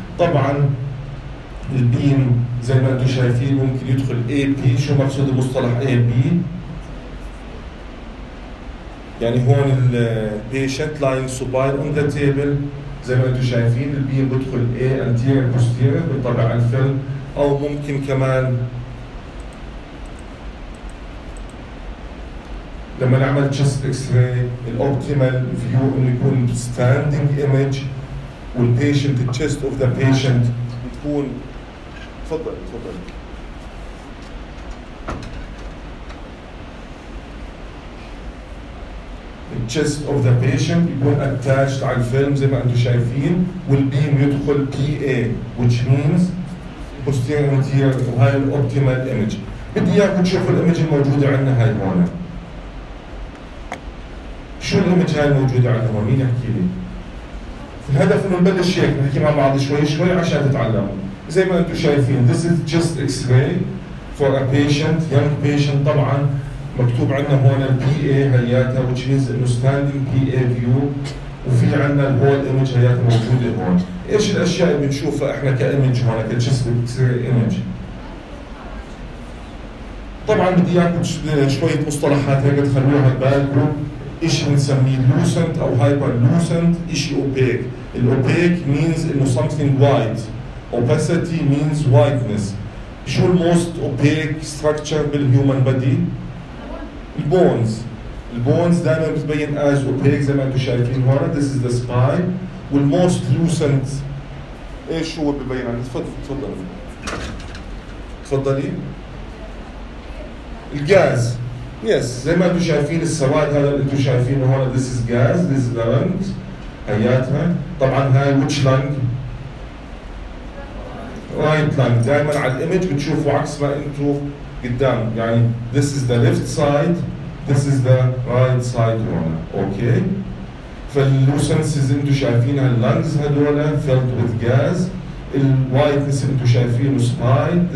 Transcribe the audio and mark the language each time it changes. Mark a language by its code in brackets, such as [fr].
[ar] طبعا البيم زي ما انتم شايفين ممكن يدخل اي بي. شو مقصود المصطلح اي بي؟ يعني هون [en] البيشنت lying supine on the table [ar] زي ما انتم شايفين البيم بدخل [en] اي anterior posterior [ar] بنطبع على الفيلم. او ممكن كمان لما نعمل [en] chest x-ray الoptimal view [ar] انه يكون [en] standing image والpatient the chest of the patient [ar] يكون تفضل [en] the chest of the patient [ar] يكون [en] attached [ar] على الفيلم زي ما انتو شايفين [en] والbeam يدخل PA which means posterior anterior [ar] وهي [en] الoptimal image. [ar] بدي اياكم تشوفوا الامج الموجودة عندنا هاي هون. شو الامج هاي الموجودة عندنا هون؟ مين يحكي لي؟ الهدف انه نبلش هيك نحكي مع بعض شوي شوي عشان تتعلموا. زي ما انتم شايفين [en] this is just x-ray for a patient, young patient [ar] طبعا مكتوب عندنا هون [en] PA هياتها which is understanding PA view وفي عندنا الهول ايمج [ar] هياتها موجودة هون. ايش الاشياء اللي بنشوفها احنا كايمج هون كجسم بتصير ايمج؟ طبعا بدي اياكم شوية مصطلحات هيك تخلوها ببالكم. ايش بنسميه [en] Lucent او hyperlucent? ايش opaque? الاوبيك مينز انه something white. Opacity means whiteness. [ar] شو [en] الموست opaque structure بالهيومن body? البونز. [ar] البونز دائما بتبين [en] as opaque [ar] زي ما انتم شايفين هون. [en] This is the spine. والموست lucent [ar] ايش هو ببين عندي؟ تفضلي. الغاز. [en] Yes. [ar] زي ما انتم شايفين السواد هذا اللي انتم شايفينه هون. [en] This is gas. This is the lung. [ar] هياتها. طبعا هاي [en] which lung؟ Right lung. [ar] دائما على الايمج بتشوفوا عكس ما انتوا قدام. يعني [en] this is the left side. This is the right side [ar] هون. [en] Okay. فاللوسنسز [ar] انتوا شايفينها [en] اللانجز هدول filled with gas. الوايتنس [ar] انتوا شايفينه [en] spine.